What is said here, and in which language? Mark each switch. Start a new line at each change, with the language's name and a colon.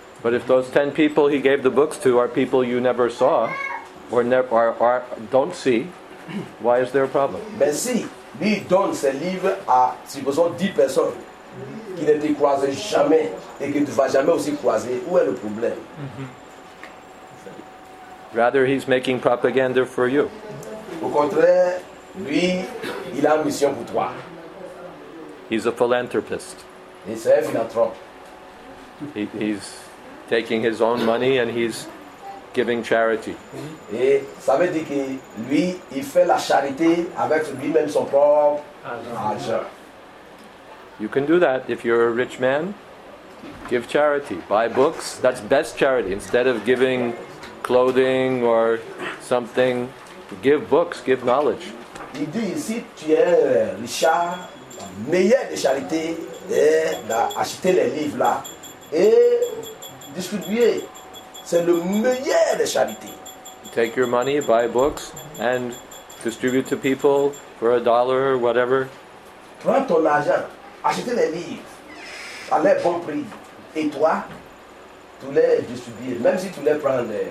English: But if those 10 people he gave the books to are people you never saw, or don't see, why is there a problem?
French: Ben si, lui donne ses livres à, si vous avez 10 personnes, qui ne te croisent jamais, et qui ne vont jamais aussi croiser, où est le problème? Mm-hmm.
English: Rather, he's making propaganda for you.
French: Au contraire, lui, il a une mission pour toi.
English: He's a philanthropist.
French: Il est un philanthrope.
English: He's taking his own money and he's giving charity.
French: Et ça veut dire que lui, il fait la charité avec lui-même son propre argent.
English: You can do that if you're a rich man. Give charity. Buy books. That's best charity. Instead of giving clothing or something, give books, give knowledge.
French: Il dit, si tu es richard, meilleure de charité est d'acheter les livres là et distribuer. C'est le meilleur de charité.
English: Take your money, buy books, and distribute to people for $1 or whatever.
French: Prends ton argent, achète les livres à leur bon prix, et toi, tu les distribues, même si tu les prends